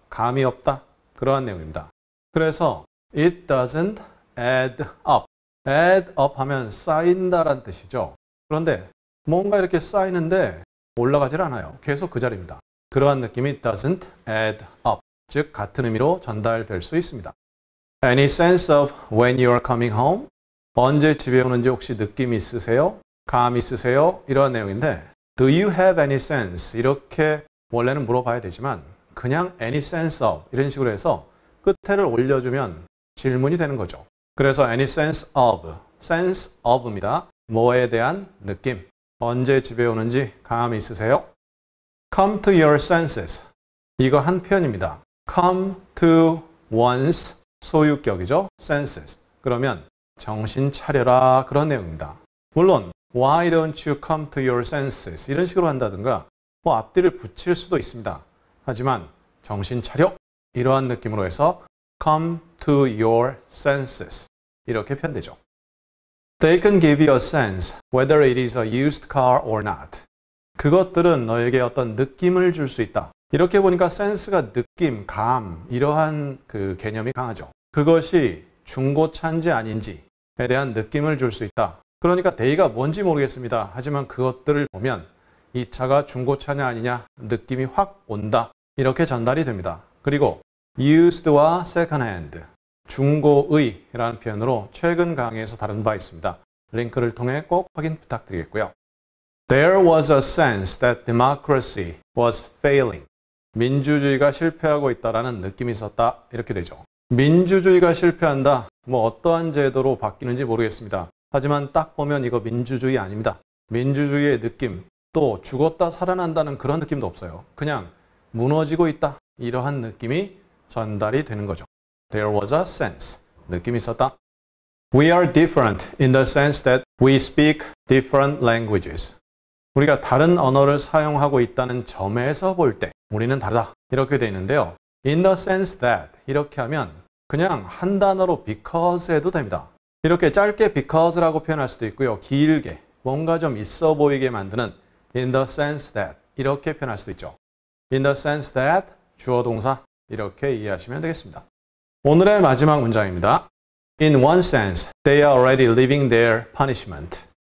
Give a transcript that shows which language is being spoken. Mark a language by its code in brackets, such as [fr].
[ko] 감이 없다. 그러한 내용입니다. 그래서 [en] it doesn't add up. [ko] add up 하면 쌓인다란 뜻이죠. 그런데 뭔가 이렇게 쌓이는데 올라가질 않아요. 계속 그 자리입니다. 그러한 느낌이 [en] doesn't add up. [ko] 즉, 같은 의미로 전달될 수 있습니다. [en] Any sense of when you are coming home? [ko] 언제 집에 오는지 혹시 느낌 있으세요? 감 있으세요? 이러한 내용인데 [en] Do you have any sense? [ko] 이렇게 원래는 물어봐야 되지만 그냥 [en] any sense of [ko] 이런 식으로 해서 끝에를 올려주면 질문이 되는 거죠. 그래서 [en] any sense of, sense of [ko] 입니다. 뭐에 대한 느낌, 언제 집에 오는지 감 있으세요? [en] Come to your senses. [ko] 이거 한 표현입니다. [en] Come to one's [ko] 소유격이죠. [en] senses. [ko] 그러면 정신 차려라 그런 내용입니다. 물론 [en] why don't you come to your senses [ko] 이런 식으로 한다든가 뭐 앞뒤를 붙일 수도 있습니다. 하지만 정신 차려 이러한 느낌으로 해서 [en] come to your senses [ko] 이렇게 표현되죠. [en] They can give you a sense whether it is a used car or not. [ko] 그것들은 너에게 어떤 느낌을 줄 수 있다. 이렇게 보니까 sense가 느낌, 감 이러한 그 개념이 강하죠. 그것이 중고차인지 아닌지에 대한 느낌을 줄 수 있다. 그러니까 데이가 뭔지 모르겠습니다. 하지만 그것들을 보면 이 차가 중고차냐 아니냐 느낌이 확 온다. 이렇게 전달이 됩니다. 그리고 used와 second-hand, 중고의라는 표현으로 최근 강의에서 다룬 바 있습니다. 링크를 통해 꼭 확인 부탁드리겠고요. [en] There was a sense that democracy was failing. [ko] 민주주의가 실패하고 있다라는 느낌이 있었다. 이렇게 되죠. 민주주의가 실패한다. 뭐 어떠한 제도로 바뀌는지 모르겠습니다. 하지만 딱 보면 이거 민주주의 아닙니다. 민주주의의 느낌, 또 죽었다 살아난다는 그런 느낌도 없어요. 그냥 무너지고 있다. 이러한 느낌이 전달이 되는 거죠. [en] There was a sense. [ko] 느낌이 있었다. [en] We are different in the sense that we speak different languages. [ko] 우리가 다른 언어를 사용하고 있다는 점에서 볼 때 우리는 다르다. 이렇게 돼 있는데요. [en] In the sense that [ko] 이렇게 하면 그냥 한 단어로 because 해도 됩니다. 이렇게 짧게 because라고 표현할 수도 있고요. 길게 뭔가 좀 있어 보이게 만드는 [en] in the sense that [ko] 이렇게 표현할 수도 있죠. [en] In the sense that [ko] 주어 동사 이렇게 이해하시면 되겠습니다. 오늘의 마지막 문장입니다. [en] In one sense, they are already living their punishment.